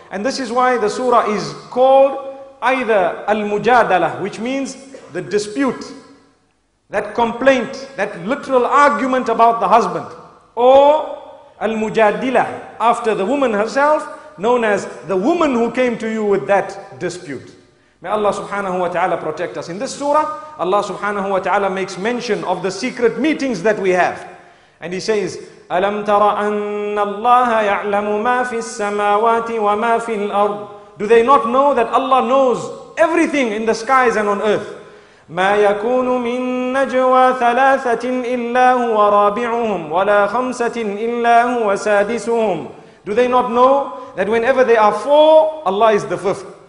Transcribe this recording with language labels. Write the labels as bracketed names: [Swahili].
[English] And this is why the surah is called either Al-Mujadalah, which means the dispute, that complaint, that literal argument about the husband, or Al-Mujadilah, after the woman herself, known as the woman who came to you with that dispute. May Allah subhanahu wa ta'ala protect us. In this surah, Allah subhanahu wa ta'ala makes mention of the secret meetings that we have. [Arabic] And he says, أَلَمْ تَرَ أَنَّ اللَّهَ يَعْلَمُ مَا فِي السَّمَاوَاتِ وَمَا فِي الْأَرْضِ. [English] Do they not know that Allah knows everything in the skies and on earth? [Arabic] مَا يَكُونُ مِن نَجْوَى ثَلَاثَةٍ إِلَّا هُوَ رَابِعُهُمْ وَلَا خَمْسَةٍ إِلَّا هُوَ سَادِسُهُمْ. [English] Do they not know that whenever there are four, Allah is the fifth?